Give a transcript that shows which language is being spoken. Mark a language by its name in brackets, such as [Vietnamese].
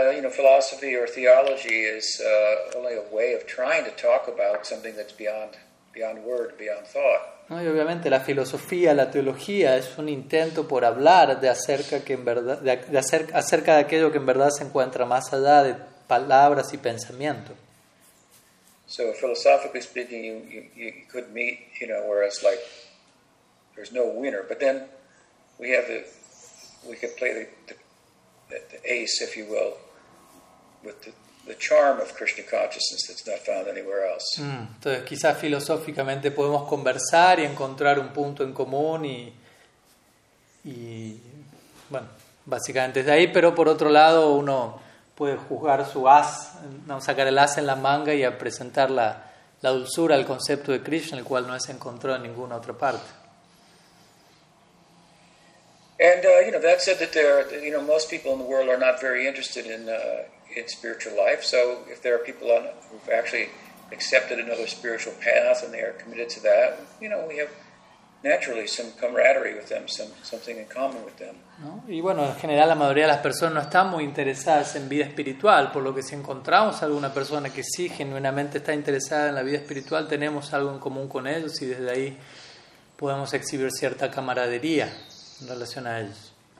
[English] Philosophy or theology is only a way of trying to talk about something that's beyond word, beyond thought. [Spanish] No, y obviamente la filosofía, la teología es un intento por hablar acerca de aquello que en verdad se encuentra más allá de palabras y pensamiento. [English] So philosophically speaking, you could meet, you know, whereas like there's no winner, but then we could play the ace, if you will, with the charm of Krishna consciousness that's not found anywhere else. [Spanish] Entonces, quizás filosóficamente podemos conversar y encontrar un punto en común y bueno, básicamente es de ahí, pero por otro lado uno puede juzgar su as, no, sacar el as en la manga y a presentar la dulzura al concepto de Krishna, el cual no es encontrado en ninguna otra parte. [English] And that said that most people in the world are not very interested in spiritual life. So if there are people who've actually accepted another spiritual path and they are committed to that, we have naturally some camaraderie with them, something in common with them. [Spanish] ¿No? Y bueno, en general la mayoría de las personas no están muy interesadas en vida espiritual, por lo que si encontramos alguna persona que sí genuinamente está interesada en la vida espiritual, tenemos algo en común con ellos y desde ahí podemos exhibir cierta camaradería en relación a ellos.